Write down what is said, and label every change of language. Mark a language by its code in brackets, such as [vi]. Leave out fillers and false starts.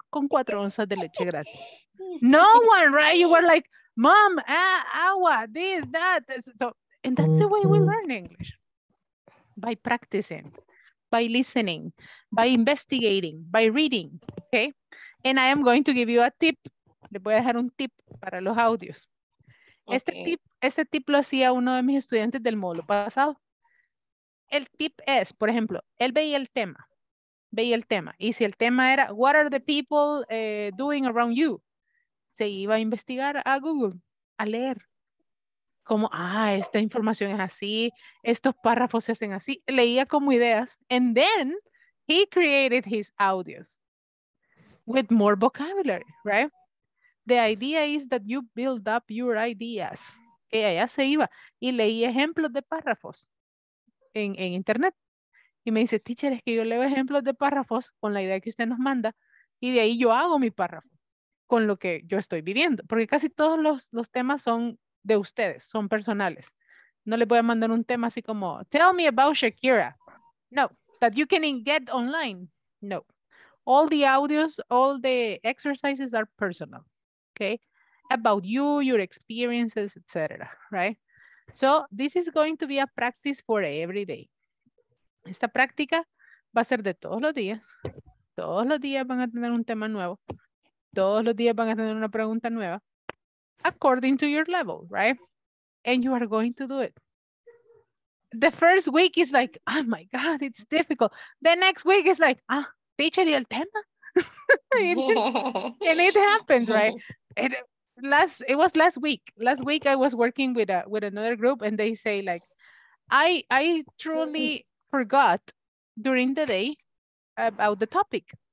[es] Con 4 onzas de leche, gracias. [en] No one, right? You were like, mom, agua, this, that. So, and that's the way we learn English. By practicing, by listening, by investigating, by reading, okay? And I am going to give you a tip. [es] Le voy a dejar un tip para los audios. Okay. Este tip lo hacía uno de mis estudiantes del módulo pasado. El tip es, por ejemplo, él veía el tema. Y si el tema era, [en] what are the people doing around you? [es] Se iba a investigar a Google, a leer. Como, esta información es así, estos párrafos se hacen así. Leía como ideas. [en] And then he created his audios. With more vocabulary, right? The idea is that you build up your ideas. [es] Que allá se iba y leí ejemplos de párrafos en internet. Y me dice, teacher, es que yo leo ejemplos de párrafos con la idea que usted nos manda y de ahí yo hago mi párrafo con lo que yo estoy viviendo. Porque casi todos los temas son de ustedes, son personales. No le voy a mandar un tema así como, [en] tell me about Shakira. No, that you can get online. No. All the audios, all the exercises are personal, okay? About you, your experiences, etc., right? So this is going to be a practice for every day. [es] Esta práctica va a ser de todos los días. Todos los días van a tener un tema nuevo. Todos los días van a tener una pregunta nueva. [en] According to your level, right? And you are going to do it. The first week is like, oh my God, it's difficult. The next week is like, teacher [es] y el tema. [en] and it happens, right? Last week I was working with another group and they say like, I truly forgot during the day about the topic.